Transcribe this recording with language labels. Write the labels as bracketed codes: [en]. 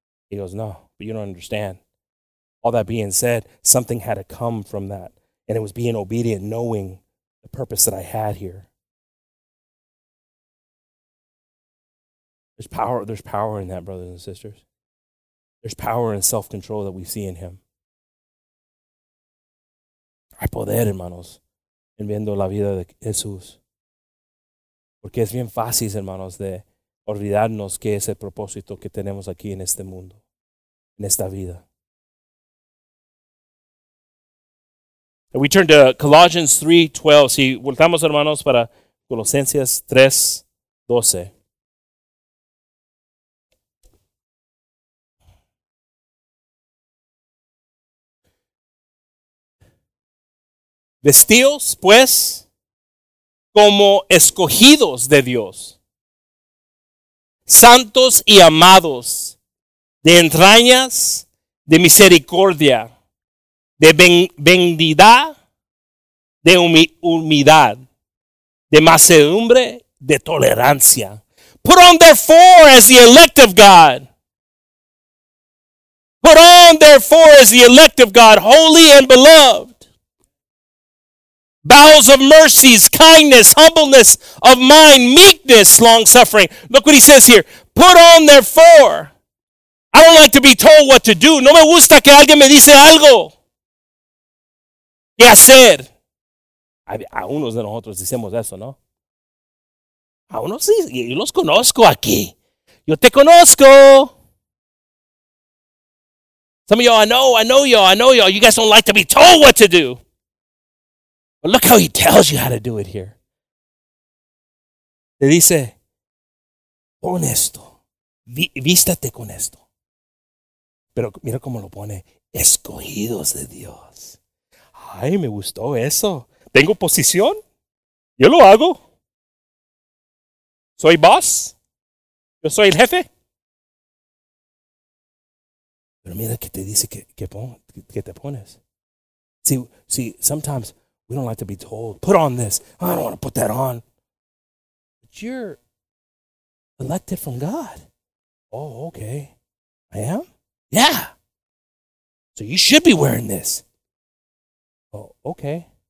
[en] He goes, no, but you don't understand. All that being said, something had to come from that, and it was being obedient, knowing the purpose that I had here. There's power in that, brothers and sisters. There's power in self-control that we see in him. [es] Hay poder, hermanos, en viendo la vida de Jesús. Porque es bien fácil, hermanos, de olvidarnos qué es el propósito que tenemos aquí en este mundo, en esta vida. [en] And we turn to Colossians 3:12. [es] Si voltamos, hermanos, para Colosenses 3:12. Vestíos, pues, como escogidos de Dios, santos y amados, de entrañas, de misericordia, de benignidad, de humildad, de mansedumbre, de tolerancia. [en] Put on, therefore, as the elect of God. Put on, therefore, as the elect of God, holy and beloved. Bowels of mercies, kindness, humbleness of mind, meekness, long-suffering. Look what he says here. Put on, therefore. I don't like to be told what to do. [es] No me gusta que alguien me dice algo. ¿Qué hacer? A unos de nosotros decimos eso, ¿no? A unos sí. Yo los conozco aquí. Yo te conozco. [en] Some of y'all, I know y'all. You guys don't like to be told what to do. But look how he tells you how to do it here. [es] Te dice, pon esto, vístate con esto. Pero mira cómo lo pone, escogidos de Dios. Ay, me gustó eso. ¿Tengo posición? Yo lo hago. ¿Soy boss? ¿Yo soy el jefe? Pero mira que te dice que te pones. [en] See, sometimes, we don't like to be told, put on this. I don't want to put that on. But you're elected from God. Oh, okay. I am? Yeah. So you should be wearing this. Oh, okay.